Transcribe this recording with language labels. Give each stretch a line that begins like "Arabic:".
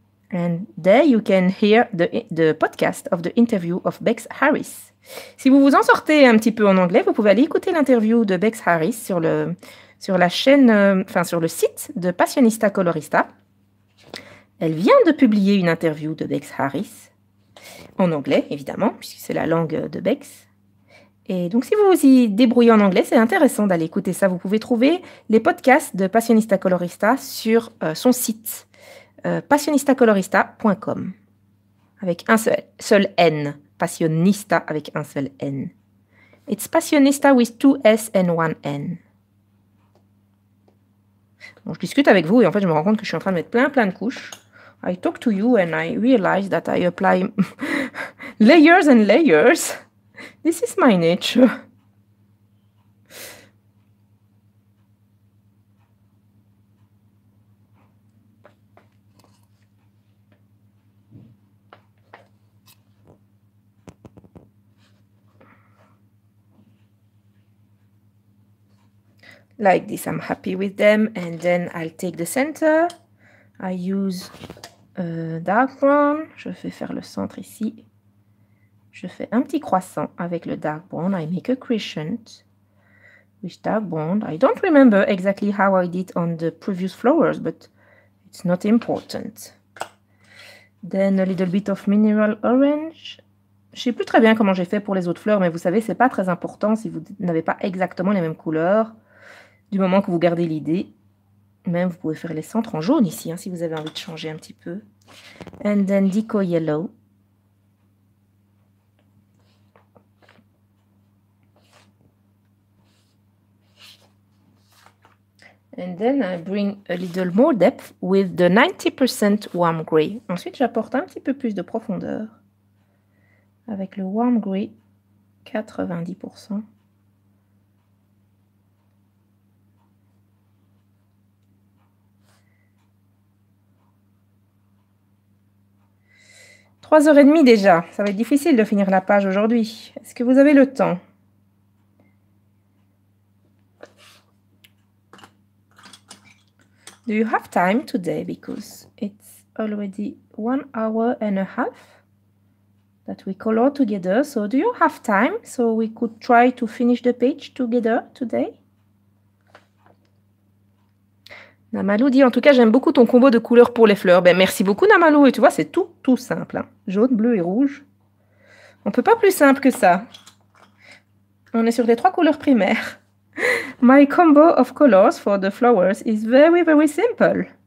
English: And there you can hear the podcast of the interview of Bex Harris.
French: Si vous vous en sortez un petit peu en anglais, vous pouvez aller écouter l'interview de Bex Harris sur le site de Passionista Colorista. Elle vient de publier une interview de Bex Harris en anglais, évidemment, puisque c'est la langue de Bex. Et donc, si vous vous y débrouillez en anglais, c'est intéressant d'aller écouter ça. Vous pouvez trouver les podcasts de Passionista Colorista sur son site passionistacolorista.com avec un seul N. Passionista avec un seul N.
English: It's Passionista with two S and one N.
French: Bon, je discute avec vous et en fait, je me rends compte que je suis en train de mettre plein de couches.
English: I talk to you and I realize that I apply layers and layers. This is my nature. Like this, I'm happy with them. And then I'll take the center. I use a dark brown.
French: Je vais faire le centre ici. Je fais un petit croissant avec le dark brown.
English: I make a crescent with dark brown. I don't remember exactly how I did on the previous flowers, but it's not important. Then a little bit of mineral orange.
French: Je sais plus très bien comment j'ai fait pour les autres fleurs, mais vous savez, c'est pas très important si vous n'avez pas exactement les mêmes couleurs. Du moment que vous gardez l'idée, même vous pouvez faire les centres en jaune ici, hein, si vous avez envie de changer un petit peu.
English: And then deco yellow. And then I bring a little more depth with the 90% warm gray.
French: Ensuite, j'apporte un petit peu plus de profondeur avec le warm gray 90%. Trois heures et demie déjà. Ça va être difficile de finir la page aujourd'hui. Est-ce que vous avez le temps? Do you have time today? Because it's already 1.5 hours that we color together. So do you have time so we could try to finish the page together today? Namalou dit, en tout cas, j'aime beaucoup ton combo de couleurs pour les fleurs. Ben, merci beaucoup, Namalou. Et tu vois, c'est tout, tout simple. Hein. Jaune, bleu et rouge. On ne peut pas plus simple que ça. On est sur les trois couleurs primaires.
English: My combo of colors for the flowers is very, very simple.